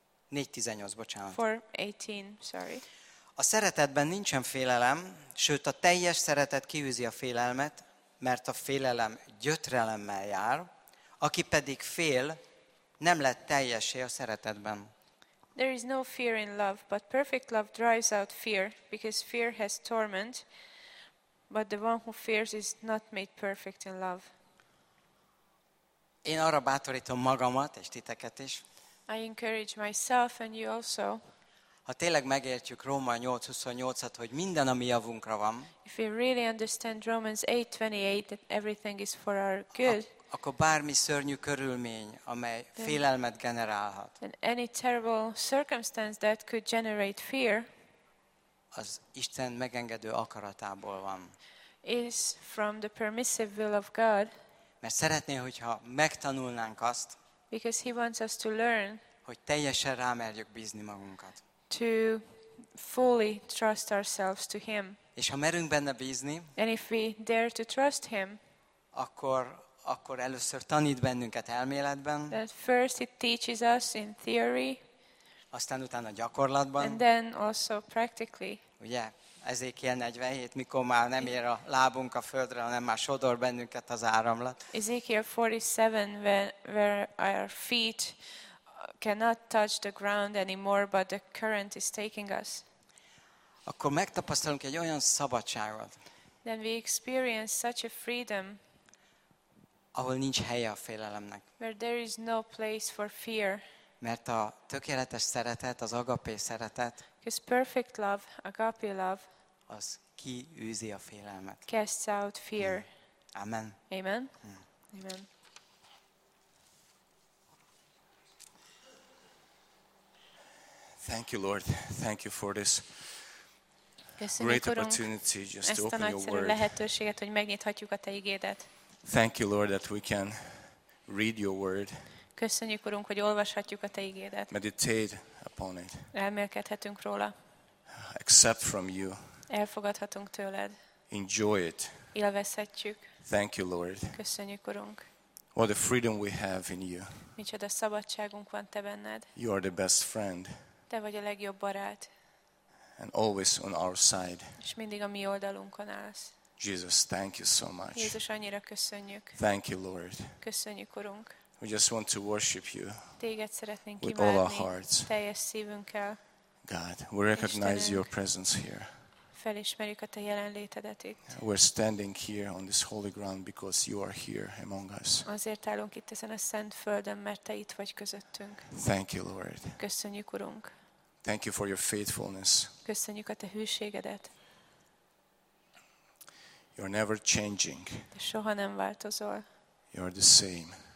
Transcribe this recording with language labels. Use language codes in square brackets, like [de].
[hu] 4:18, bocsánat. [en] 4:18, sorry. [hu] A szeretetben nincsen félelem, sőt a teljes szeretet kiűzi a félelmet, mert a félelem gyötrelemmel jár, aki pedig fél, nem lett teljessé a szeretetben. [en] There is no fear in love, but perfect love drives out fear, because fear has torment, but the one who fears is not made perfect in love. [hu] Én arra bátorítom magamat és titeket is. [en] I encourage myself and you also. [hu] Ha tényleg megértjük Róma 8:28-at, hogy minden a mi javunkra van. [en] If we really understand Romans 8:28 that everything is for our good. [hu] Akkor bármi szörnyű körülmény, amely félelmet generálhat. [en] And any terrible circumstance that could generate fear. [hu] Az Isten megengedő akaratából van. [en] Is from the permissive will of God. [hu] Mert szeretné, hogyha megtanulnánk azt. [en] Because he wants us to learn, [hu] hogy teljesen rámerjük bízni magunkat. [en] To fully trust ourselves to him. [hu] És ha merünk benne bízni, [en] and if we dare to trust him, [hu] akkor először tanít bennünket elméletben, [en] that first he teaches us in theory, [hu] aztán utána gyakorlatban, [en] and then also practically. [hu] Ugye, Ezékiel 47, mikor már nem ér a lábunk a földre, hanem már sodor bennünket az áramlat. [en] Ezekiel 47, where our feet cannot touch the ground anymore, but the current is taking us. [hu] Akkor megtapasztalunk egy olyan szabadságot. [en] Then we experience such a freedom. [hu] Ahol nincs helye a félelemnek. [en] Where there is no place for fear. [hu] Mert a tökéletes szeretet, az agapé szeretet, [en] his perfect love, agape love, [hu] az kiűzi a félelmet. [en] Casts out fear. [hu] Amen. [en] Amen. Amen. Thank you, Lord. Thank you for this [hu] köszönjük, [en] great [hu] Urunk, [en] opportunity just to open your word. [hu] Lehetőséget, hogy megnyithatjuk a te igédet. [en] Thank you, Lord, that we can read your word. [hu] Köszönjük, Urunk, hogy olvashatjuk a te igédet. [en] Meditate upon it. [hu] Elmélkedhetünk róla. [en] Accept from you. [hu] Elfogadhatunk tőled. [en] Enjoy it. [hu] Élvezhetjük. [en] Thank you, Lord. [hu] Köszönjük, Urunk. [en] What a freedom we have in you. [hu] Micsoda szabadságunk van te benned. [en] You are the best friend. [hu] Te vagy a legjobb barát. [en] And always on our side. [hu] És mindig a mi oldalunkon állsz. [en] Jesus, thank you so much. [hu] Jézus, annyira köszönjük. [en] Thank you, Lord. [hu] Köszönjük, Urunk. [en] We just want to worship you. [hu] Téged szeretnénk [en] with all our hearts. [hu] Teljes szívünkkel. [en] God, we recognize [hu] Istenünk, [en] your presence here. [hu] Felismerjük a te jelenlétedet itt. [en] We're standing here on this holy ground because you are here among us. [hu] Azért állunk itt ezen a szent földön, mert te itt vagy közöttünk. [en] Thank you, Lord. [hu] Köszönjük, Urunk. [en] Thank you for your faithfulness. [hu] Köszönjük a te hűségedet. [en] You're never changing. [hu] Te soha nem változol. [en] You're the same.